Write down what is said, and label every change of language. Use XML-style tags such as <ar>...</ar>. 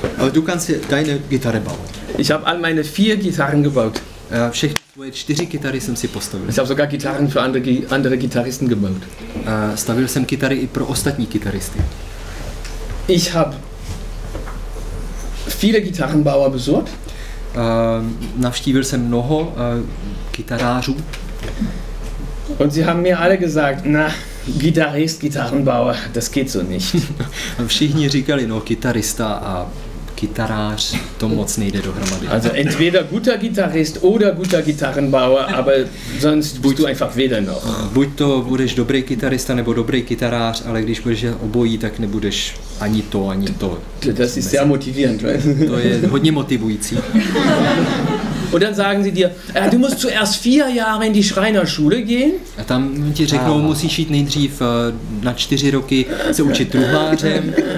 <cs>Ale</cs> <de>du kannst deine Gitarre bauen. Ich habe all meine 4 Gitarren gebaut.</de> <cs>Všechny tvoje 4 kytary jsem si postavil.</cs> <de>Ich habe sogar Gitarren für andere Gitarristen gebaut.</de> <cs>Stavil jsem kytary i pro ostatní kytaristy.</cs> <de>Ich habe viele Gitarrenbauer besucht.</de> <cs>Navštívil jsem mnoho kytarářů.</cs> <de>Und sie haben mir alle gesagt, na, Gitarrist, Gitarrenbauer, das geht so nicht.</de> <cs>Všichni říkali, no, kytarista a kytarář, to moc nejde dohromady.</cs> <de>Also entweder guter Gitarrist oder guter Gitarrenbauer, aber sonst bist du einfach weder noch.</de> <cs>Buď to budeš dobrý kytarista nebo dobrý kytarář, ale když budeš obojí, tak nebudeš ani to, ani to.</cs> <de>Das ist sehr motivierend,</de> <en>right?</en> <cs>To je hodně motivující.</cs> <de>Und dann sagen sie dir, du musst zuerst 4 Jahre in die Schreinerschule gehen.</de> <cs>A tam ti řeknou, musíš jít nejdřív na 4 roky se učit truhlářem.</cs>